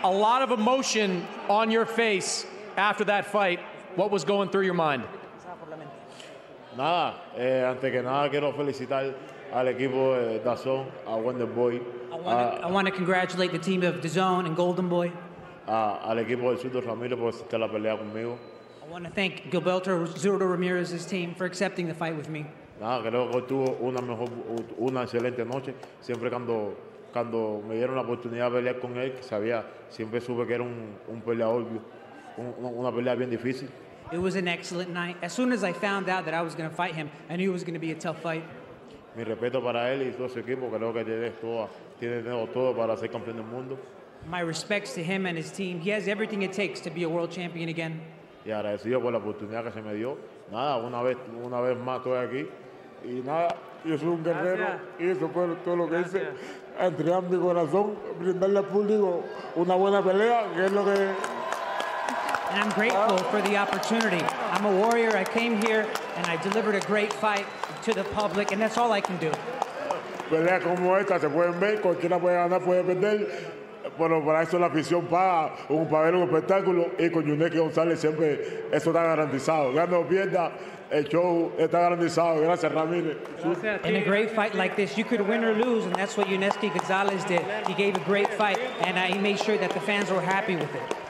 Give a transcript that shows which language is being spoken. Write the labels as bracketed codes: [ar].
[en] a lot of emotion on your face after that fight. What was going through your mind? [es] Nada. Antes que nada, quiero felicitar al equipo de Dazn, a Golden Boy. [en] I want to congratulate the team of Dazn and Golden Boy. [es] Al equipo de Zurdo Ramirez por aceptar la pelea conmigo. [en] I want to thank Gilberto Zurdo Ramirez's team for accepting the fight with me. [es] Nada, creo que tuvo una excelente noche. Siempre cuando me dieron la oportunidad de pelear con él, siempre supe que era un peleador obvio. Una pelea bien difícil. [en] It was an excellent night. As soon as I found out that I was going to fight him, I knew it was going to be a tough fight. [es] Mi respeto para él y todo su equipo. Creo que tiene todo para ser campeón del mundo. [en] My respects to him and his team. He has everything it takes to be a world champion again. [es] Y agradecido por la oportunidad que se me dio. Nada, una vez más estoy aquí. Y nada, yo soy un guerrero. Gracias. Y eso fue todo lo que Gracias. Hice. Entregar mi corazón, brindarle al público una buena pelea, que es lo que... [en] And I'm grateful for the opportunity. I'm a warrior. I came here and I delivered a great fight to the public, and that's all I can do. [es] Peleas como esta se pueden ver, cualquiera puede ganar, puede perder. Bueno, para eso la afición paga un papel, un espectáculo, y con Yunieski González siempre eso está garantizado. Gane o pierda, el show está garantizado. Gracias, Ramírez. [en] In a great fight like this, you could win or lose, and that's what Yunieski González did. He gave a great fight, and he made sure that the fans were happy with it.